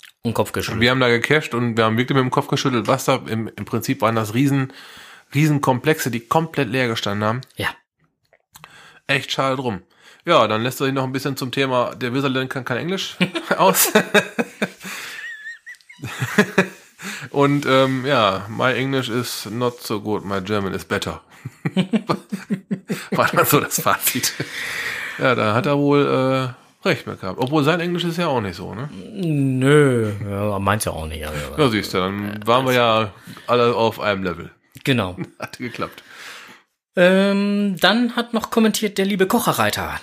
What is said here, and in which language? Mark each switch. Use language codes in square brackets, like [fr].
[de] Und Kopf geschüttelt. Wir haben da gecasht und wir haben wirklich mit dem Kopf geschüttelt. Was da im Prinzip waren das Riesenkomplexe, die komplett leer gestanden haben. Ja. Echt schade drum. Ja, dann lässt er sich noch ein bisschen zum Thema, der Wizard lernt kein Englisch aus. [en] Und my English is not so good, my German is better. [de] War dann so das Fazit. Ja, da hat er wohl recht mehr gehabt. Obwohl sein Englisch ist ja auch nicht so, ne? Nö, ja, meint's ja auch nicht. Also, ja, siehst du, dann waren wir ja alle auf einem Level. Genau. Hat geklappt. Dann hat noch kommentiert der liebe Kocherreiter.